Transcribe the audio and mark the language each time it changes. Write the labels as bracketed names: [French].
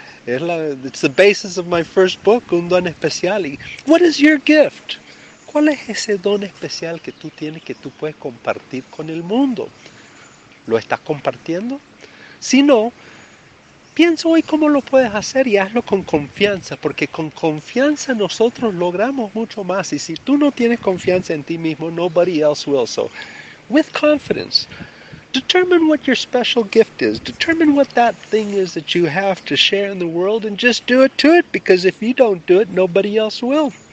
[English] It's the basis of my first book, Un Don Especial. What is your gift? [Spanish] ¿Cuál es ese don especial que tú tienes que tú puedes compartir con el mundo? ¿Lo estás compartiendo? Si no, piensa hoy cómo lo puedes hacer y hazlo con confianza, porque con confianza nosotros logramos mucho más. Y si tú no tienes confianza en ti mismo, [English] nobody else will. So, with confidence. Determine what your special gift is. Determine what that thing is that you have to share in the world and just do it to it because if you don't do it, nobody else will.